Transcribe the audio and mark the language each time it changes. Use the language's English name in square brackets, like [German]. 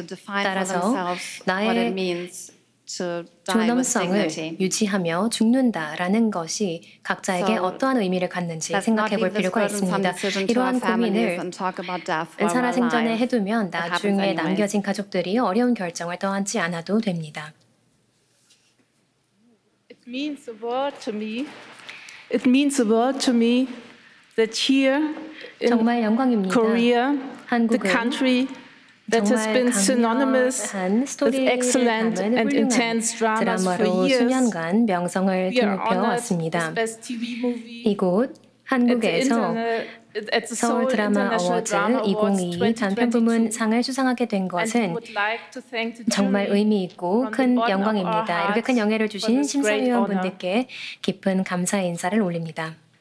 [Korean] 따라서 나의 존엄성을 유지하며 죽는다라는 것이 각자에게 어떠한 의미를 갖는지 생각해 볼 필요가 있습니다. 이러한 고민을 은사라 생전에 해두면 나중에 남겨진 가족들이 어려운 결정을 떠안지 않아도 됩니다. [English] It means the world to me. It means the world to me that here in Korea, the country That has been synonymous with excellent and intense dramas for years. [Korean] 수년간 명성을 등겨왔습니다. 이곳 한국에서 서울 드라마 어워즈 2022 단편 부문 상을 수상하게 된 것은 정말 의미 있고 큰 영광입니다. 이렇게 큰 영예를 주신 심사위원분들께 깊은 감사 인사를 올립니다.